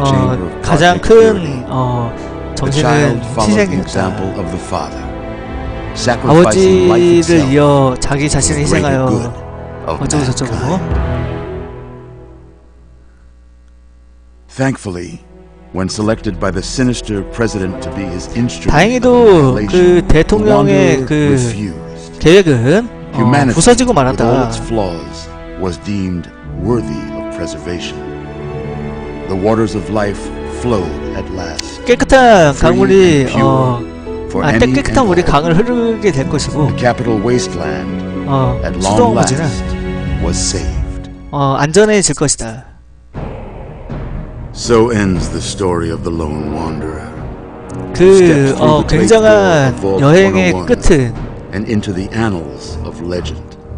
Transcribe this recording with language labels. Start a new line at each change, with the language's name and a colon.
English: chamber of the child followed the example of the father. Sacrificing life itself for the greater good of mankind.
Korean: 어쩌고.
English: Thankfully, when selected by the sinister president to be his instrument,
Korean: 다행히도 그 대통령의 그 계획은 부서지고 말았다.
English: With all its flaws, was deemed worthy of preservation. The waters of life flowed at last.
Korean: 깨끗한 강물이 깨끗한 물이 강을 흐르게 될 것이고.
English: The capital wasteland, at long last, was saved.
Korean: 안전해질 것이다.
English: So ends the story of the lone wanderer.
Korean: 그 굉장한 여행의 끝은
English: and into the annals of legend.